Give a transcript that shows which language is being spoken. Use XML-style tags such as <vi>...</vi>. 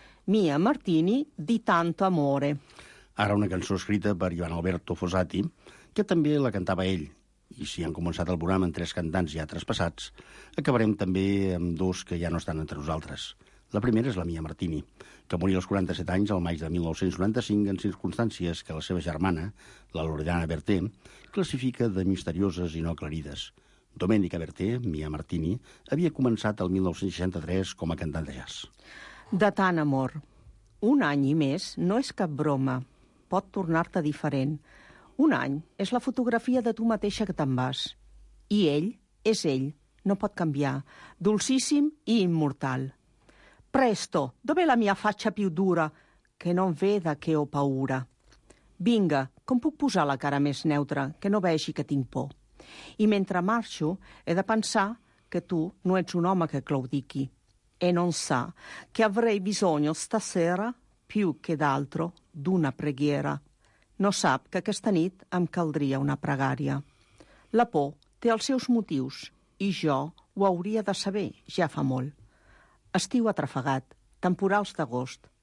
<ca>Mia Martini, di tanto amore. Ara una cançó escrita per Joan Alberto Fossati, que també la cantava ell. I si han començat el programa amb tres cantants ja traspassats, acabarem també amb dos que ja no estan entre nosaltres. La primera és la Mia Martini, que morí als 47 anys, al maig de 1995, en circumstàncies que la seva germana, la Loredana Bertè, classifica de misterioses i no aclarides. Domenica Bertè, Mia Martini, havia començat el 1963 com a cantant de jazz. De tant amor. Un any i més no és cap broma. Pot tornar-te diferent. Un any és la fotografia de tu mateixa que te'n vas. I ell és ell. No pot canviar. Dolcíssim i immortal.</ca> <it>Presto, dov'è la mia faccia più dura, che non veda che ho paura.</it> <ca>Vinga, com puc posar la cara més neutra, que no vegi que tinc por. I mentre marxo, he de pensar que tu no ets un home que claudiqui.</ca> <it>E non sa che avrei bisogno stasera, più che d'altro, d'una preghiera.</it> <ca>No sap que aquesta nit em caldria una pregària. La por té els seus motius, i jo ho hauria de saber ja fa molt. Estiu atrafegat, temporals d'agost.</ca>